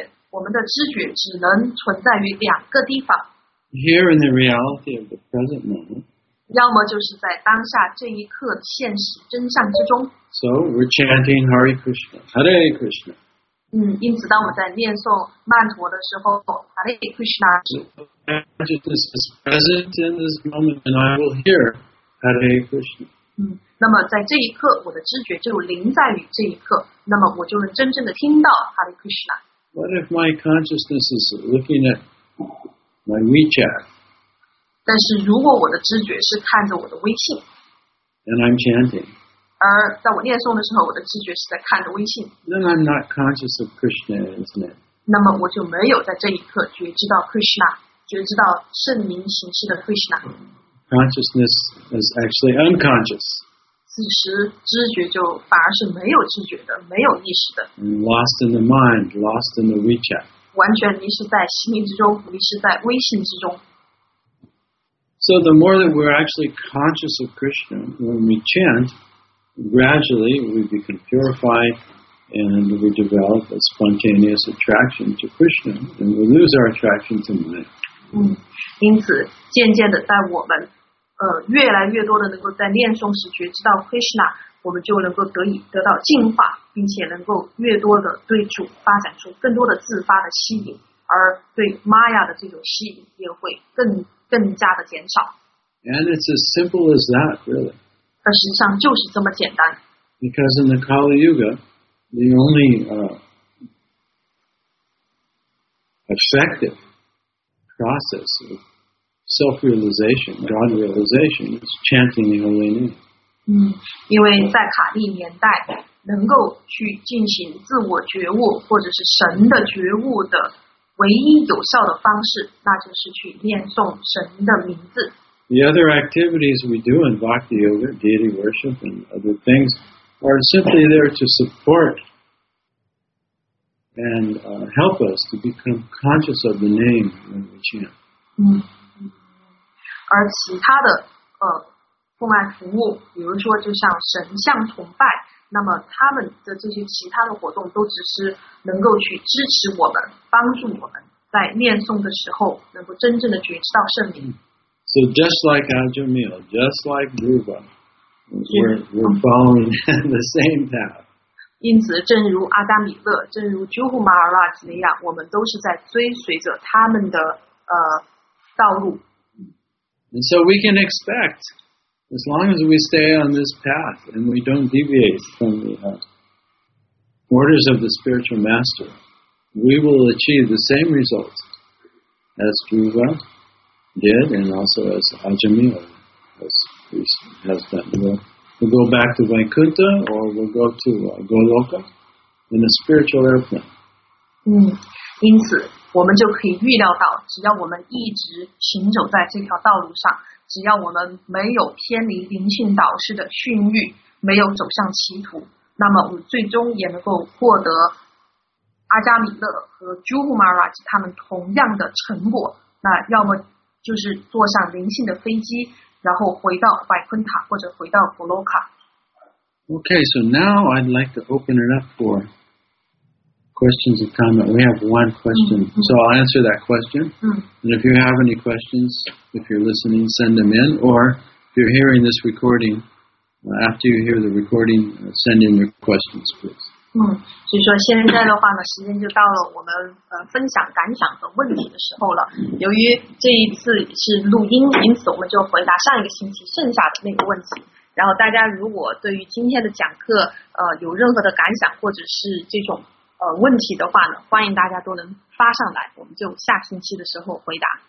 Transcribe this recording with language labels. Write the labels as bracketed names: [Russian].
[Chinese] 我们的知觉只能存在于两个地方。 [English] Here in the reality of the present moment, [Chinese] 要么就是在当下这一刻的现实真相之中。 [English] So we're chanting Hare Krishna, Hare Krishna. [Chinese] 因此当我们在念诵曼陀的时候 ，Hare Krishna. [English] Consciousness is present in this moment, and I will hear Hare Krishna. [Chinese] 那么在这一刻，我的知觉就临在于这一刻，那么我就能真正的听到 Hare Krishna. [English] What if my consciousness is looking at My WeChat. [Chinese] 但是如果我的知觉是看着我的微信 [English] ，and I'm chanting. [Chinese] 而在我念诵的时候，我的知觉是在看着微信。 [English] Then I'm not conscious of Krishna, isn't it? [Chinese] 那么我就没有在这一刻觉知到 Krishna, 觉知到圣名形式的 Krishna. [English] Consciousness is actually unconscious. [Chinese] 此时知觉就反而是没有知觉的，没有意识的。 [English] And lost in the mind, lost in the WeChat. [Chinese] 完全迷失在心灵之中，迷失在微信之中。 [English] So the more that we're actually conscious of Krishna when we chant, gradually we become purified and we develop a spontaneous attraction to Krishna, and we lose our attraction to Maya. [Chinese] 因此渐渐的在我们越来越多的能够在念诵时觉知到 Krishna, 我们就能够得到净化。并且能够越多的对主发展出更多的自发的吸引，而对 Maya 的这种吸引也会更加的减少。 [English] And it's as simple as that, really. [Chinese] 而实际上就是这么简单。 [English] Because in the Kali Yuga, the only effective process of self-realization, God-realization, is chanting the holy name. [Chinese] 因为在卡利年代。能够去进行自我觉悟或者是神的觉悟的唯一有效的方式，那就是去念诵神的名字。 [English] The other activities we do in Bhakti Yoga, deity worship and other things, are simply there to support and help us to become conscious of the name when we chant. [Chinese] 而其他的奉爱服务，比如说就像神像崇拜，那么他们的这些其他的活动都只是能够去支持我们，帮助我们在念诵的时候能够真正的觉知到圣名。 [English] So just like Ajamil, just like Dhruva, we're following the same path. [Chinese] 因此正如阿达米勒，正如朱胡马尔拉吉那样，我们都是在追随着他们的道路。 [English] And so we can expect, as long as we stay on this path and we don't deviate from the orders of the spiritual master, we will achieve the same results as Dhruva did and also as Ajamila has done. We'll go back to Vaikuntha or we'll go to Goloka in a spiritual airplane. [Chinese] 因此我们就可以预料到，只要我们一直行走在这条道路上，只要我们没有偏离灵性导师的训谕，没有走向歧途，那么我们最终也能够获得阿加米勒和朱胡马拉吉他们同样的成果。那要么就是坐上灵性的飞机，然后回到百昆塔或者回到佛罗卡。 [English] Okay, so now I'd like to open it up for questions and comments. We have one question, so I'll answer that question. And if you have any questions, if you're listening, send them in. Or if you're hearing this recording, after you hear the recording, send in your questions, please. [Chinese] 所以说现在的话呢，时间就到了我们分享感想和问题的时候了。由于这一次是录音，因此我们就回答上一个星期剩下的那个问题。然后大家如果对于今天的讲课有任何的感想或者是这种问题的话呢，欢迎大家都能发上来，我们就下星期的时候回答。